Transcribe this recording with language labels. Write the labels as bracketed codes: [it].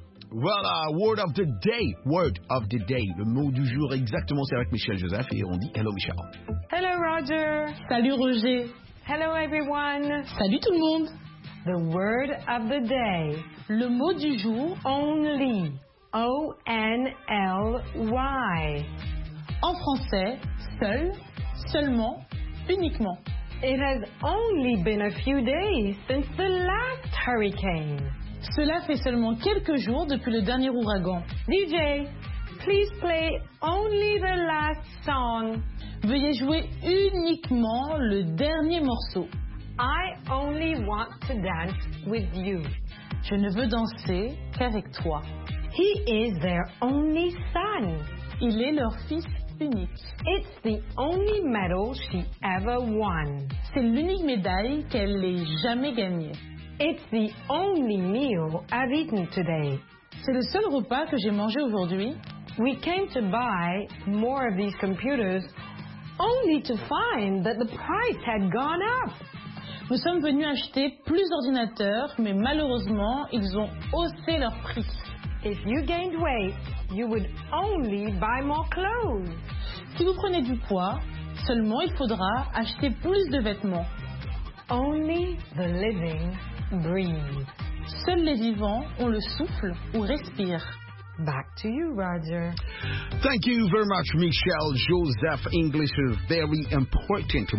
[en] Voilà, word of the day, word of the day. [fr] Le mot du jour exactement, c'est avec Michel Joseph et on dit hello Michel. [en] Hello Roger. [fr] Salut Roger. [en] Hello everyone. [fr] Salut tout le monde. [en] The word of the day. [fr] Le mot du jour. [en] Only. O-N-L-Y. [fr] En français, seul, seulement, uniquement. [en] It has only been a few days since the last hurricane. [fr] Cela fait seulement quelques jours depuis le dernier ouragan. [en] DJ, please play only the last song. [fr] Veuillez jouer uniquement le dernier morceau. [en] I only want to dance with you. [fr] Je ne veux danser qu'avec toi. [en] He is their only son. [fr] Il est leur fils unique. [en] It's the only medal she ever won. [fr] C'est l'unique médaille qu'elle ait jamais gagnée. [en] It's the only meal I've eaten today. [fr] C'est le seul repas que j'ai mangé aujourd'hui. [en] We came to buy more of these computers only to find that the price had gone up. [fr] Nous sommes venus acheter plus d'ordinateurs, mais malheureusement, ils ont haussé leur prix. [en] If you gained weight, you would only buy more clothes. [fr] Si vous prenez du poids, seulement il faudra acheter plus de vêtements. [en] Only the living breathe. [fr] Seuls les vivants ont le souffle ou respirent. [en] Back to you, Roger. Thank you very much, Michelle. Joseph, English is very important.